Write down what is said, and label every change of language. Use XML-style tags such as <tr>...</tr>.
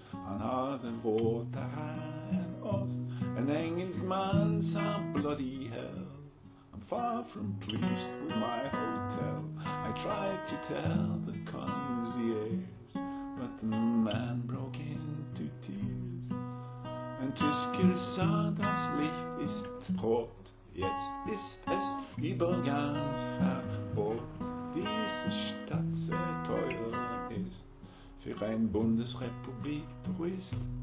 <no>Han har det våtere enn oss. En engelsk mann sa bloody hell.</no> <en>I'm far from pleased with my hotel. I tried to tell the concierge, but the man broke into tears.</en> <no>En tysker sa das Licht ist rot.</no> <de>Jetzt ist es über ganz verbot. Diese Stadt sehr teuer ist für ein Bundesrepublik-Tourist.</de>